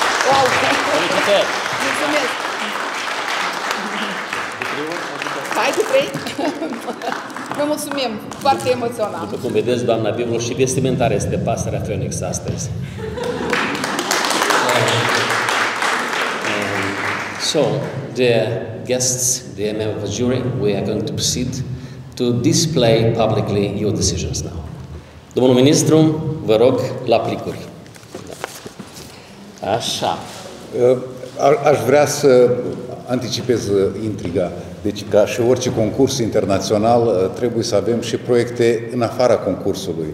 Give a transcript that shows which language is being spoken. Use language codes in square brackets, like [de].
[ro] Wow. Mulțumesc! Hai cu trei! Vă mulțumim! Foarte emoționant! După cum vedeți, doamna Biblu, și vestimentare este pasărea Phoenix astăzi. [en] So, dear guests, dear members of the jury, we are going to proceed to display publicly your decisions now. [ro] Domnul ministru, vă rog la plicuri. Așa. Aș vrea să anticipez intriga. Deci, ca și orice concurs internațional, trebuie să avem și proiecte în afara concursului.